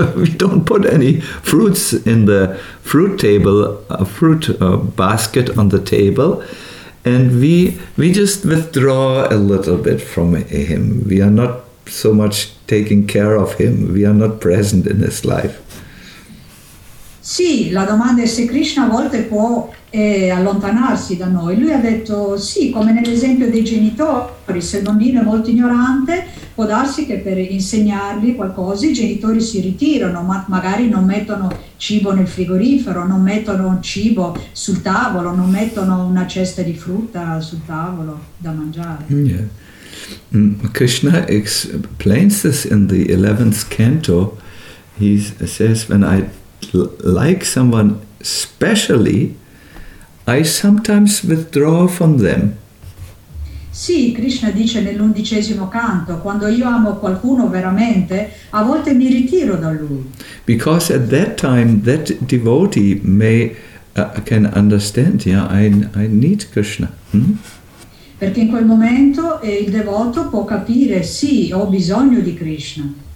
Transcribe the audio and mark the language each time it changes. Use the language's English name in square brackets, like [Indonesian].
[English] We don't put any fruits in the fruit table, a fruit basket on the table. And we just withdraw a little bit from him. We are not so much taking care of him. We are not present in his life. [Italian] Sì, la domanda è se Krishna a volte può allontanarsi da noi. Lui ha detto sì, come nell'esempio dei genitori, se il bambino è molto ignorante, può darsi che per insegnargli qualcosa i genitori si ritirano, ma magari non mettono cibo nel frigorifero, non mettono cibo sul tavolo, non mettono una cesta di frutta sul tavolo da mangiare. [English] Yeah. Krishna explains this in the 11th canto. He says, when I like someone specially, I sometimes withdraw from them. [Italian] Sì, Krishna dice nell'undicesimo canto, quando io amo qualcuno veramente, a volte mi ritiro da lui. [English] Because at that time that devotee can understand, yeah, I need Krishna. Hmm? [Italian] Perché in quel momento il devoto può capire, sì, ho bisogno di Krishna.